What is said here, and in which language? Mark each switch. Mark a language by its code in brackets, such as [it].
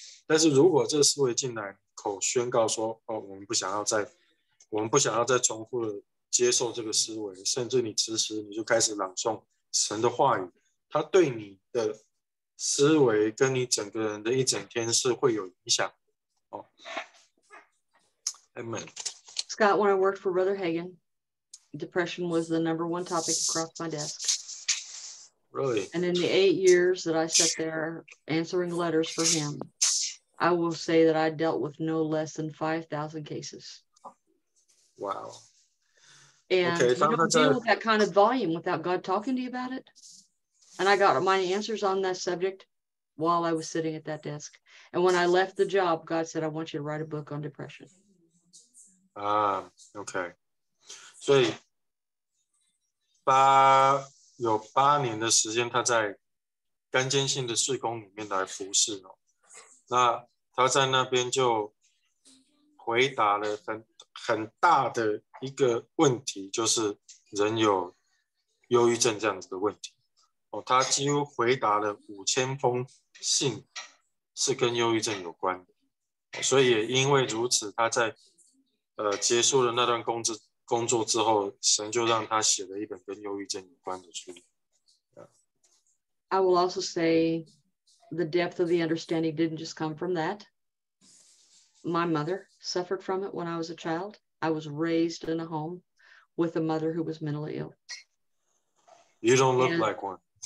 [zh] 但是如果这个思维进来口宣告说，哦，我们不想要再重复的接受这个思维，甚至你此时你就开始朗诵神的话语，它对你的思维跟你整个人的一整天是会有影响。哦， Amen. [en] Scott, when I worked for Brother Hagin, depression was the number one topic across my desk. Really? And in the 8 years that I sat there answering letters for him, I will say that I dealt with no less than 5,000 cases. Wow. And okay, you don't deal with that kind of volume without God talking to you about it. And I got my answers on that subject while I was sitting at that desk. And when I left the job, God said, I want you to write a book on depression. Okay. [zh] 所以有八年的时间他在干监性的事工里面来服侍。那他在那边就回答了很大的一个问题，就是人有忧郁症这样子的问题。哦，他几乎回答了5000封信是跟忧郁症有关的。所以也因为如此，他在结束了那段工作之后，神就让他写了一本跟忧郁症有关的书。 [en] I will also say the depth of the understanding didn't just come from that. My mother suffered from it when I was a child. I was raised in a home with a mother who was mentally ill. You don't look like one.